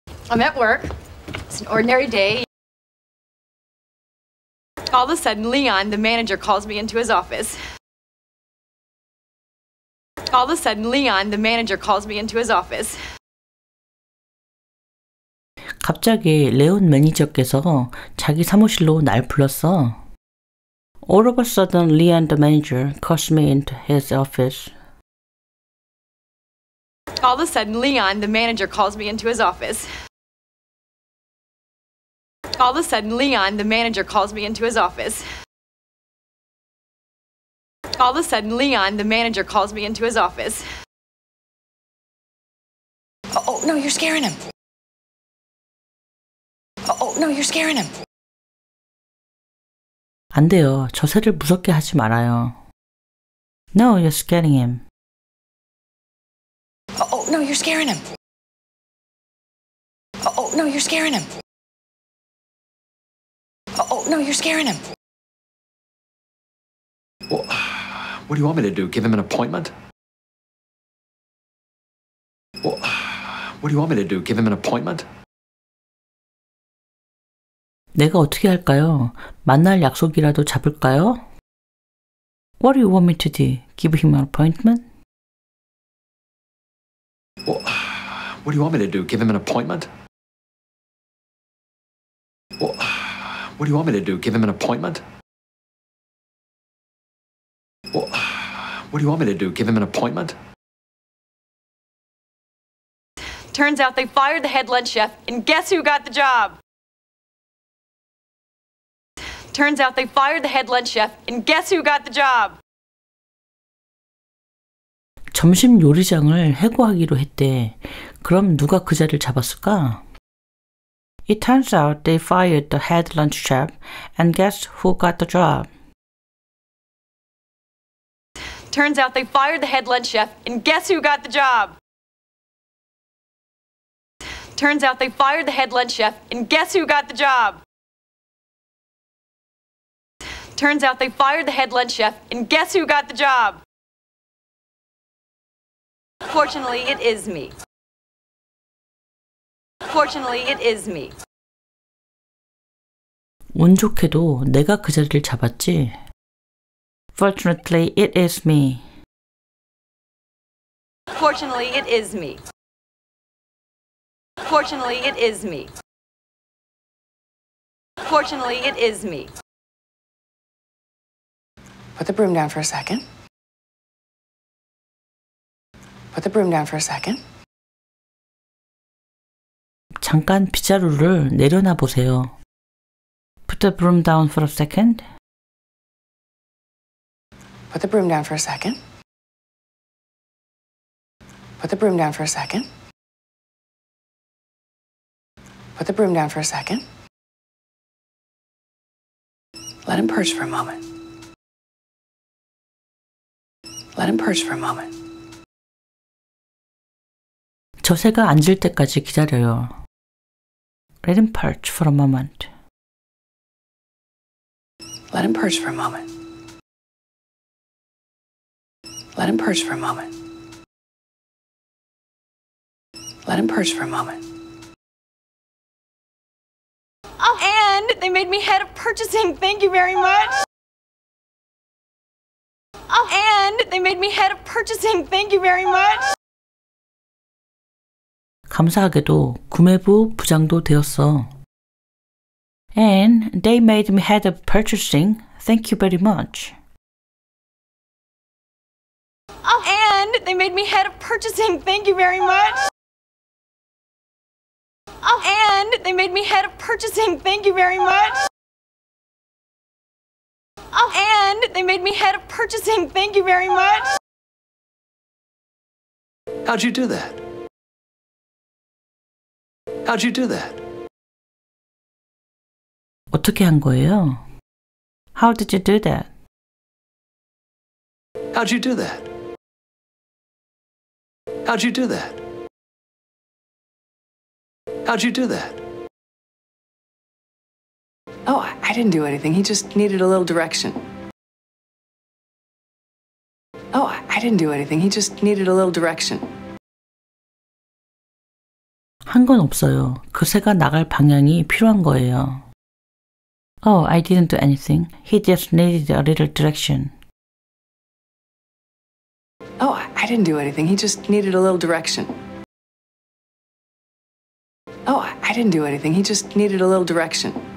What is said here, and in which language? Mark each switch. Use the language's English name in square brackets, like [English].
[English] I'm at work. It's an ordinary day. All of a sudden, Leon, the manager, calls me into his office. All of a sudden, Leon, the manager, calls me into his office. [Korean] 갑자기 레온 매니저께서 자기 사무실로 날 불렀어. [English] All of a sudden, Leon, the manager, calls me into his office. All of a sudden, Leon, the manager, calls me into his office. All of a sudden, Leon, the manager, calls me into his office. All of a sudden, Leon, the manager, calls me into his office. Oh, no, you're scaring him. Oh, no, you're scaring him. [Korean] 안 돼요. 저 새를 무섭게 하지 말아요. [English] No, you're scaring him. Oh, no, you're scaring him. Oh, no, you're scaring him. Oh, no, you're scaring him. Well, what do you want me to do? Give him an appointment? Well, what do you want me to do? Give him an appointment? [Korean] 내가 어떻게 할까요? 만날 약속이라도 잡을까요? [English] What do you want me to do? Give him an appointment? Well, what do you want me to do? Give him an appointment? What do you want me to do? Give him an appointment? What do you want me to do? Give him an appointment? Turns out they fired the head lunch chef, and guess who got the job? Turns out they fired the head lunch chef, and guess who got the job? [Korean] 점심 요리장을 해고하기로 했대. 그럼 누가 그 자리를 잡았을까? [English] It turns out they fired the head lunch chef, and guess who got the job? Turns out they fired the head lunch chef, and guess who got the job? Turns out they fired the head lunch chef, and guess who got the job? Turns out they fired the head lunch chef, and guess who got the job? Fortunately, it is me. Fortunately, it is me. [Korean] 운 좋게도 내가 그 자리를 잡았지. [English] Fortunately, it is me. Fortunately, it is me. Fortunately, it is me. Fortunately, it is me. Put the broom down for a second. Put the broom down for a second. [Korean] 잠깐 빗자루를 내려놔 보세요. [English] Put the broom down for a second. Put the broom down for a second. Put the broom down for a second. Put the broom down for a second. Let him perch for a moment. Let him perch for a moment. [Korean] 저 새가 앉을 때까지 기다려요. [English] Let him perch for a moment. Let him perch for a moment. Let him perch for a moment. Let him perch for a moment. Oh, and they made me head of purchasing. Thank you very much. Oh, and they made me head of purchasing. Thank you very much. [Korean] 감사하게도 구매부 부장도 되었어. [English] And they made me head of purchasing. Thank you very much. Oh, and they made me head of purchasing. Thank you very much. Oh, and they made me head of purchasing. Thank you very much. Oh, and they made me head of purchasing. Thank you very much. How'd you do that? How'd you do that? [Korean] 어떻게 한 거예요? [English] How did you do that? How'd you do that? How'd you do that? How'd you do that? Oh, I didn't do anything. He just needed a little direction. Oh, I didn't do anything. He just needed a little direction. [Korean] 한 건 없어요. 그 새가 나갈 방향이 필요한 거예요. [English] Oh, I didn't do anything. He just needed a little direction. Oh, I didn't do anything. He just needed a little direction. Oh, I didn't do anything. He just needed a little direction.